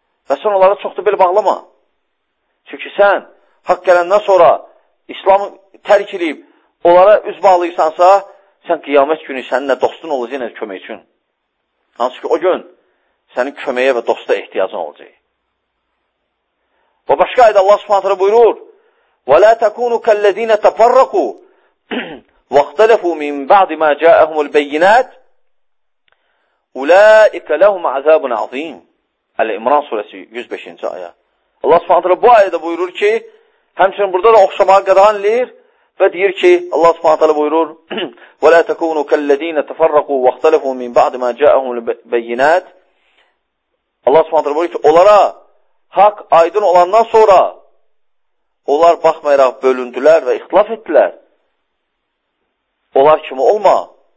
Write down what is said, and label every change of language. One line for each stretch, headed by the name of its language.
Azerbaijani: Və sən onlara çox da belə bağlama. Çünki sən haqq gələndən sonra İslamı tərk edib, onlara üz bağlıysansa, sən qiyamət günü səninlə dostun olacaq ilə kömək üçün. Hansı ki, o gün sənin köməyə və dosta ehtiyacın olacaq. Bu başqa ayda Allah subhanətlə buyurur,
Arabic: وَلَا تَكُونُ كَالَّذ۪ينَ تَفَرَّقُوا وَاَخْتَلَفُوا مِنْ بَعْدِ مَا جَاءَهُمُ الْبَيِّنَاتِ اُولَٰئِكَ لَهُمْ عَذَابٌ عَظ۪يمٌ
Azerbaijani: Əl-İmran suresi 105. aya. Allah subhanətlə bu ayda buyurur ki, həmçinin burada da oxşamağa qadağan eləyir, və deyir ki, Allah Subhanahu taala buyurur: "Və la təkunu kəlləzîne təfərrəqû və ixtəlafû min bə'di mə cəəəhumul bəyyinât." Allah Subhanahu taala buyurur ki, onlara haqq aydın olandan sonra onlar baxmayaraq bölündülər və ixtilaf etdilər. Onlar kimi olma.